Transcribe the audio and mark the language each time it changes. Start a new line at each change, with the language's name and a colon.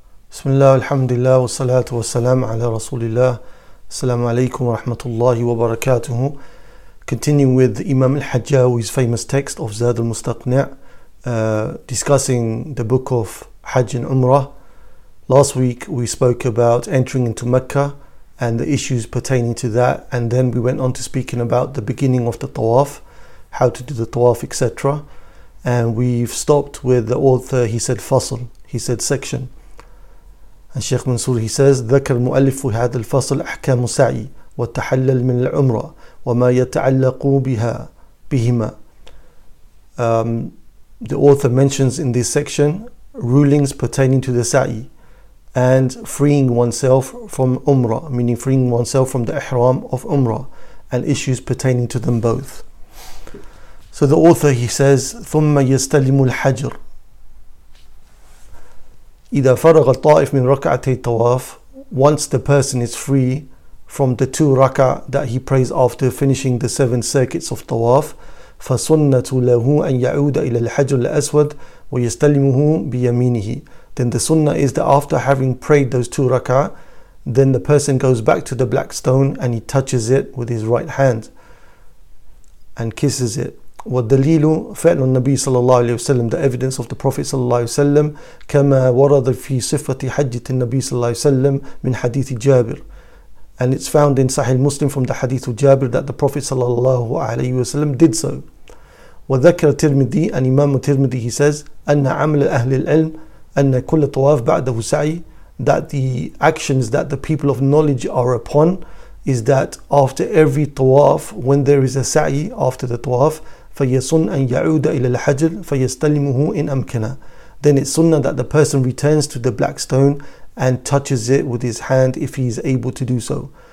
Arabic: بسم الله والحمد لله والصلاة والسلام على رسول الله السلام عليكم ورحمة الله وبركاته.
English: Continuing with Imam al-Hajjawi's famous text of Zad al-Mustaqni', discussing the book of Hajj and Umrah. Last week we spoke about entering into Mecca and the issues pertaining to that, and then we went on to speaking about the beginning of the Tawaf, how to do the Tawaf, etc. And we've stopped with the author, he said Fasl, he said section. And Sheikh Mansour, he says,
Arabic: ذكر المؤلف في هذا الفصل أحكام سعي والتحلل من العمرة وما يتعلق بها بهما.
English: The author mentions in this section rulings pertaining to the sa'i and freeing oneself from umrah, meaning freeing oneself from the ihram of umrah, and issues pertaining to them both. So the author, he says,
Arabic: ثم يستلم الحجر إذا فرغ الطائف من ركعتي الطواف.
English: Once the person is free from the two rak'ah that he prays after finishing the seven circuits of tawaf,
Arabic: فَسُنَّةُ لَهُ أَن يَعُودَ إِلَى الْحَجْرِ الْأَسْوَدِ وَيَسْتَلِمُهُ بِيَمِينِهِ.
English: Then the sunnah is that after having prayed those two rak'ah, then the person goes back to the black stone and he touches it with his right hand and kisses it.
Arabic: وَالدَّلِيلُ فَعْلُ النَّبِيِّ صَلَى اللَّهُ عَلَيْهِ وَسَلَّمُ.
English: The evidence of the Prophet
Arabic: صلى الله عليه وسلم كَمَا وَرَضَ فِي صِفَّةِ حَجِّةِ النَّبِيِّ صلى الله عليه وسلم مِنْ حَدِيثِ جَابِرِ.
English: And it's found in Sahih Muslim from the Hadith of Jabir that the Prophet sallallahu alayhi wa sallam did so.
Arabic: وَذَكَرَ تِرْمِدِي,
English: and Imam Tirmidhi, he says,
Arabic: أَنَّ عَمْلَ الْأَهْلِ الْعِلْمِ أَنَّ كُلَّ طَوَافٍ بَعْدَهُ سَعِي,
English: that the actions that the people of knowledge are upon is that after every tawaf, when there is a sa'i after the tawaf,
Arabic: فَيَسُنْ أَنْ يَعُودَ إِلَى الْحَجْرِ فَيَسْتَلِمُهُ إِنْ أَمْكَنَا,
English: then it's sunnah that the person returns to the black stone and touches it with his hand if he is able to do so.